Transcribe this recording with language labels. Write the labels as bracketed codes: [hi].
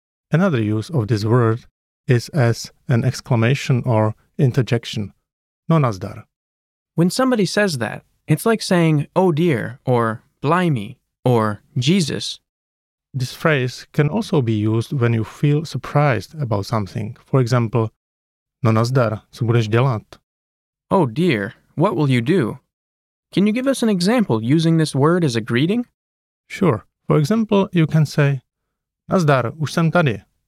[en] Another use of this word is as an exclamation or interjection. No nazdar. When somebody says that, it's like saying oh dear, or blimey, or Jesus. This phrase can also be used when you feel surprised about something. For example, [cs] no nazdar, co budeš dělat? [en] Oh dear, what will you do? Can you give us an example using this word as a greeting? Sure. For example, you can say [cs] nazdar, už jsem tady,